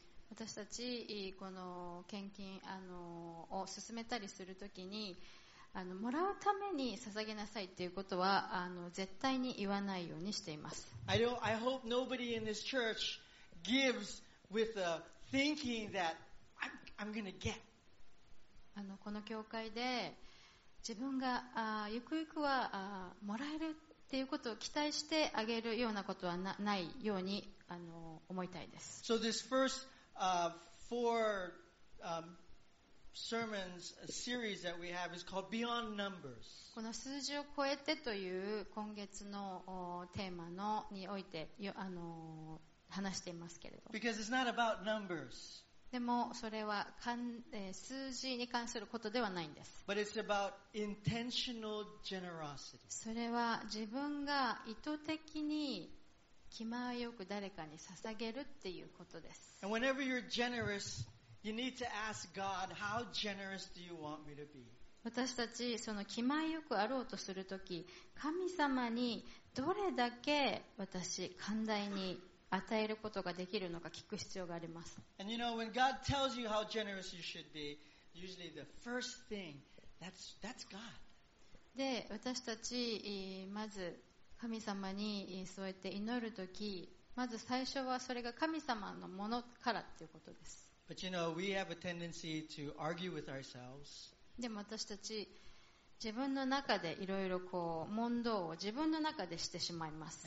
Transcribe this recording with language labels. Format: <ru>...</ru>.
<ja>私たちこの献金を進めたりするときにもらうために捧げなさいっていうことは絶対に言わないようにしています。</ja> <en>I hope nobody in this church gives with a thinking that I'm going to get.</en> <ja>この教会で自分がゆくゆくはもらえるということを期待してあげるようなことは ないようにあの思いたいです。</ja> <en>So this first four sermons series that we have is called Beyond Numbers.</en> <ja>この数字を超えてという今月のテーマのにおいてあの話していますけれど。</ja> <en>Because it's not about numbers.</en> <ja>でもそれは数字に関することではないんです。</ja> <en>But it's about intentional generosity.</en> <ja>それは自分が意図的に気前よく誰かに捧げるっていうことです。</ja> <en>And whenever you're generous, you need to ask God, how generous do you want me to be?</en> <ja>私たちその気前よくあろうとするとき、神様にどれだけ私寛大に与えることができるのか聞く必要があります。</ja> <en>And you know, when God tells you how generous you should be, usually the first thing, that's God.</en> <ja>で、私たち、まず神様にそうやって祈るとき、まず最初はそれが神様のものからっていうことです。</ja> <en>But you know, we have a tendency to argue with ourselves.</en> <ja>でも私たち、自分の中でいろいろこう、問答を自分の中でしてしまいます。</ja>